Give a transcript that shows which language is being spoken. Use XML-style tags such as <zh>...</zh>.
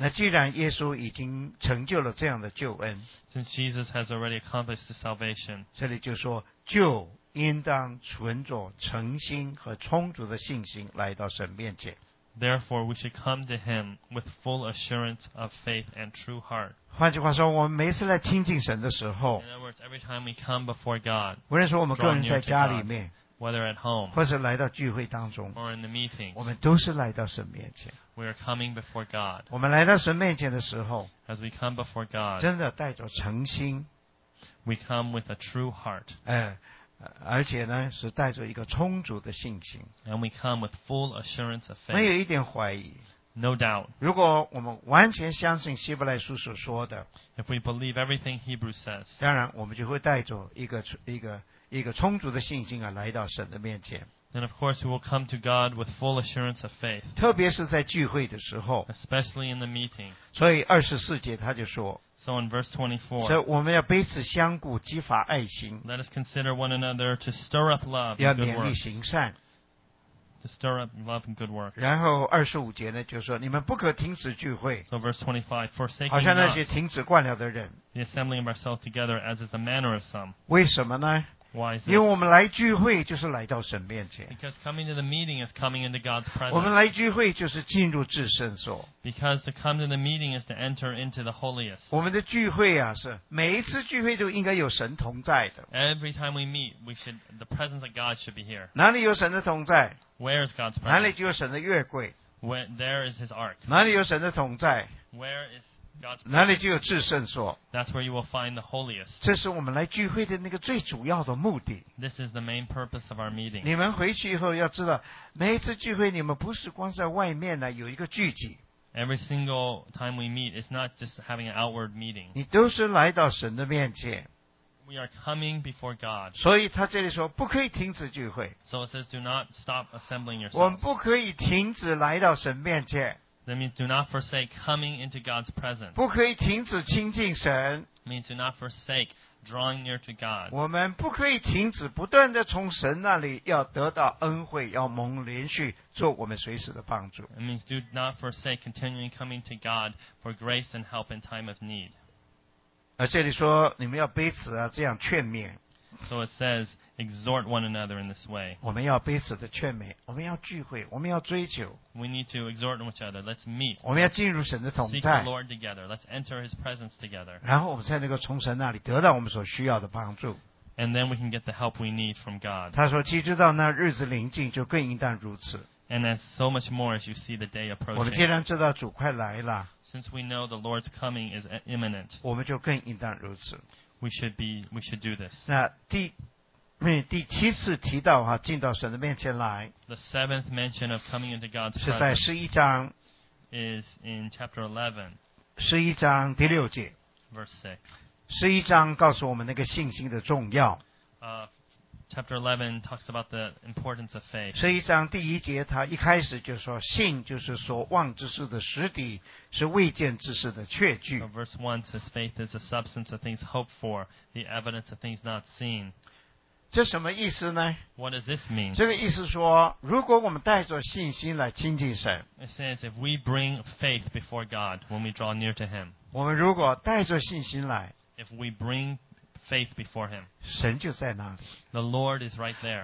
<zh>那既然耶稣已经成就了这样的救恩</zh> <en>，Since Jesus has already accomplished the salvation,</en> <zh>这里就说就应当存着诚心和充足的信心来到神面前。</zh> <en>Therefore, we should come to Him with full assurance of faith and true heart.</en> <zh>换句话说，我们每次来亲近神的时候</zh> <en>，In other words, every time we come before God,</en> <zh>无论是我们个人在家里面</zh> <en>，whether at home,</en> <zh>或是来到聚会当中</zh> <en>，or in the meeting,</en> <zh>我们都是来到神面前。</zh> <en>We are coming before God.</en> <zh>我们来到神面前的时候</zh> <en>，as we come before God,</en> <zh>真的带着诚心</zh> <en>，we come with a true heart.</en> <zh>而且呢，是带着一个充足的信心。</zh> <en>And we come with full assurance of faith.</en> <zh>没有一点怀疑。</zh> <en>No doubt.</en> <zh>如果我们完全相信希伯来书所说的</zh> <en>，If we believe everything Hebrews says，</en> <zh>当然我们就会带着一个充足的信心啊，来到神的面前。</zh> <en>And of course, we will come to God with full assurance of faith.</en> <zh>特别是在聚会的时候</zh> <en>，especially in the meeting.</en> <zh>所以二十四节他就说。</zh> <en>So in verse 24,</en> <zh>所以我们要彼此相顾，激发爱心。</zh> <en>Let us consider one another to stir up love.</en> <zh>要勉励行善。</zh> <en>To stir up love and good work.</en> <zh>然后二十五节呢，就说你们不可停止聚会。</zh> <en>So verse 25, forsake.</en> <zh>好像那些停止惯了的人。</zh> <en>The assembling of ourselves together as is the manner of some.</en> <zh>为什么呢？因为我们来聚会就是来到神面前。</zh> <en>Because coming to the meeting is coming into God's presence.</en> <zh>我们来聚会就是进入至圣所。</zh> <en>Because to come to the meeting is to enter into the holiest.</en> <zh>我们的聚会啊，是每一次聚会都应该有神同在的。</zh> <en>Every time we meet, we should the presence of God should be here.</en> <zh>哪里有神的同在</zh> <en>？Where is God's presence?</en> <zh>哪里就有神的月柜</zh> <en>？Where there is His ark.</en> <zh>哪里有神的同在</zh> <en>？Where is</en> <zh>哪里就有至圣所</zh> <en>That's where you will find the holiest.</en> <zh>这是我们来聚会的那个最主要的目的</zh> <en>This is the main purpose of our meeting.</en> <zh>你们回去以后要知道每一次聚会你们不是光在外面呢有一个聚集</zh> <en>Every single time we meet, it's not just having an outward meeting.</en> <zh>你都是来到神的面前</zh> <en>We are coming before God.</en> <zh>所以他这里说不可以停止聚会</zh> <en>So it says do not stop assembling yourselves.</en> <zh>我们不可以停止来到神面前</zh> <en>That means do not forsake coming into God's presence.</en> <zh>不可以停止亲近神。</zh> <en>Means do not forsake drawing near to God.</en> <zh>我们不可以停止不断地从神那里要得到恩惠，要蒙连续做我们随时的帮助。</zh> <en>It means do not forsake continuing coming to God for grace and help in time of need.</en> <zh>而这里说你们要彼此啊这样劝勉。</zh> <en>So it says exhort one another in this way.</en> <zh>我们要彼此的劝勉，我们要聚会，我们要追求。</zh> <en>We need to exhort each other. Let's meet.</en> <zh>我们要进入神的同在。</zh> <en>Seek the Lord together. Let's enter His presence together.</en> <zh>然后我们才能够从神那里得到我们所需要的帮助。</zh> <en>And then we can get the help we need from God.</en> <zh>他说，既知道那日子临近，就更应当如此。</zh> <en>And as so much more as you see the day approaching.</en> <zh>我们既然知道主快来了。</zh> <en>Since we know the Lord's coming is imminent.</en> <zh>我们就更应当如此。</zh> <en>We should do this.</en> <zh>那第七次提到哈，进到神的面前来。</zh> <en>The seventh mention of coming into God's presence</en> <zh>是在十一章。</zh> <en>Is in chapter 11.</en> <zh>十一章第六节。</zh> <en>Verse 6.</en> <zh>十一章告诉我们那个信心的重要。</zh> <en>chapter 11 talks about the importance of faith.</en> <zh>所以章第一节他一开始就说信就是所望之事的实底是未见之事的确据。</zh> <en>So verse 1 says faith is the substance of things hoped for, the evidence of things not seen.</en> <zh>这什么意思呢?</zh> <en>What does this mean?</en> <zh>这个意思说如果我们带着信心来亲近神。</zh> <en>It says if we bring faith before God when we draw near to him.</en> <zh>我们如果带着信心来。</zh> <en>If we bring faith before him.</en> <zh>神就在那里。</zh> <en>The Lord is right there.</en>